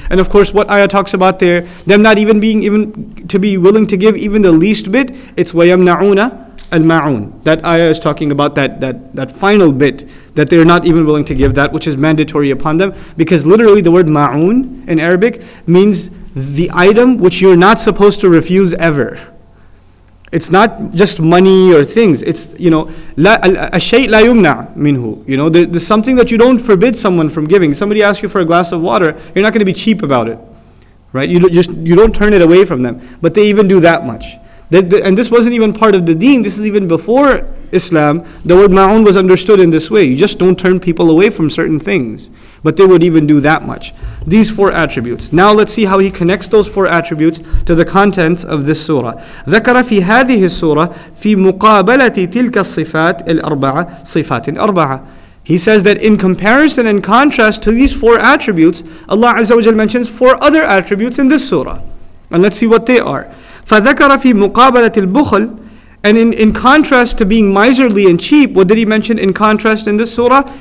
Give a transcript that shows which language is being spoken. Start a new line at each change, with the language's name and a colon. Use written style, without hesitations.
English: And of course, what ayah talks about there, them not even being even to be willing to give even the least bit, it's
Arabic: وَيَمْنَعُونَ الْمَعُونَ.
English: That ayah is talking about that final bit that they're not even willing to give, that which is mandatory upon them. Because literally the word ma'un in Arabic means the item which you're not supposed to refuse ever. It's not just money or things. It's, you know,
Arabic: الشيء لا يمنع منه.
English: You know, there's something that you don't forbid someone from giving. Somebody asks you for a glass of water, you're not going to be cheap about it, right? You don't turn it away from them. But they even do that much. And this wasn't even part of the deen. This is even before Islam. The word ma'un was understood in this way. You just don't turn people away from certain things. But they would even do that much. These four attributes. Now let's see how he connects those four attributes to the contents of this surah.
Arabic: ذكر في هذه السورة في مقابلة تلك الصفات الأربعة صفات أربعة.
English: He says that in comparison and contrast to these four attributes, Allah Azza wa Jalla mentions four other attributes in this surah. And let's see what they are.
Arabic: فذكر في مقابلة البخل
English: And in contrast to being miserly and cheap, what did he mention in contrast in this surah?